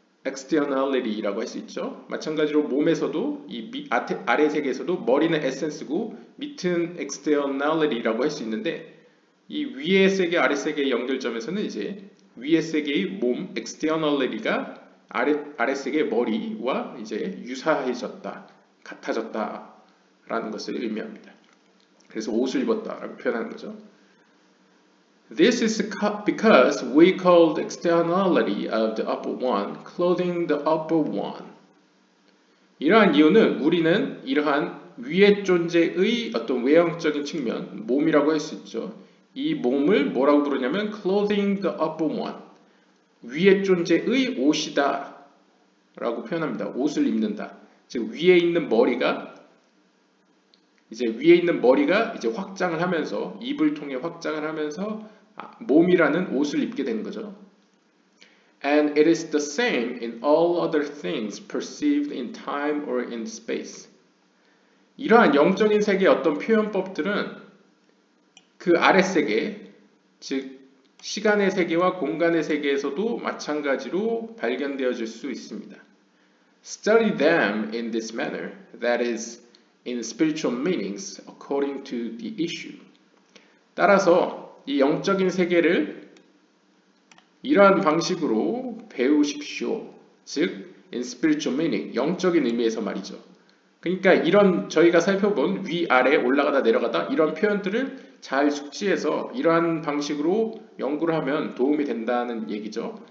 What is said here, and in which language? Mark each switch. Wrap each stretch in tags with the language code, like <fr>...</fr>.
<ko>externality라고 할수 있죠. 마찬가지로 몸에서도 이 아래 세계에서도 머리는 essence고 밑은 externality라고 할수 있는데 이 위의 세계 아래 세계의 연결점에서는 이제 위의 세계의 몸 externality가 아래 세계의 머리와 이제 유사해졌다, 같아졌다라는 것을 의미합니다. 그래서 옷을 입었다라고 표현하는 거죠.</ko> <en>This is because we called externality of the upper one clothing the upper one.</en> <ko>이러한 이유는 우리는 이러한 위의 존재의 어떤 외형적인 측면, 몸이라고 할수 있죠. 이 몸을 뭐라고 부르냐면</ko> <en>clothing the upper one.</en> <ko>위의 존재의 옷이다 라고 표현합니다. 옷을 입는다. 즉 위에 있는 머리가 이제 확장을 하면서 입을 통해 확장을 하면서 몸이라는 옷을 입게 되는 거죠.</ko> <en>And it is the same in all other things perceived in time or in space.</en> <ko>이러한 영적인 세계의 어떤 표현법들은 그 아래 세계, 즉 시간의 세계와 공간의 세계에서도 마찬가지로 발견되어질 수 있습니다.</ko> <en>Study them in this manner, that is, in spiritual meanings according to the issue.</en> <ko>따라서 이 영적인 세계를 이러한 방식으로 배우십시오. 즉,</ko> <en>in spiritual meaning,</en> <ko>영적인 의미에서 말이죠. 그러니까 이런 저희가 살펴본 위, 아래, 올라가다, 내려가다 이런 표현들을 잘 숙지해서 이러한 방식으로 연구를 하면 도움이 된다는 얘기죠.</ko>